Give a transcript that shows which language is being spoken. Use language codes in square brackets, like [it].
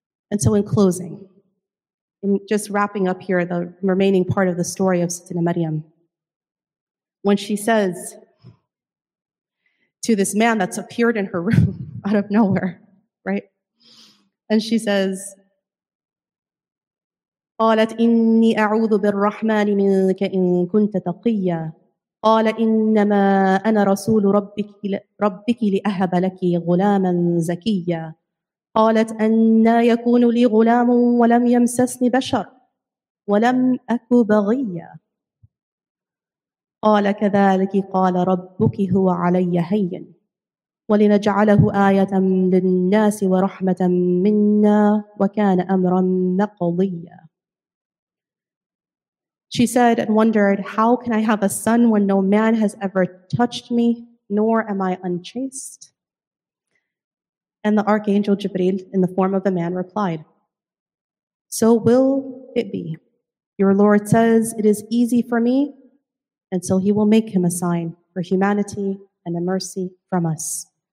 [en] And so in closing, in just wrapping up here the remaining part of the story of Sayyidina Maryam, when she says to this man that's appeared in her room out of nowhere, right? And she says, [ar] قَالَتْ إِنِّي أَعُوذُ بِالرَّحْمَنِ مِنْكَ إِن كُنْتَ تَقِيَّا قال إنما أنا رسول ربك لأهب لك غلاما زكيا قالت أنى يكون لي غلام ولم يمسسني بشر ولم أك بغيا قال كذلك قال ربك هو علي هين ولنجعله آية للناس ورحمة منا وكان أمرا مقضيا. [en] She said and wondered, how can I have a son when no man has ever touched me, nor am I unchaste? And the archangel Jibril, in the form of a man, replied, so will it be. Your Lord says, it is easy for me, and so he will make him a sign for humanity and a mercy from us.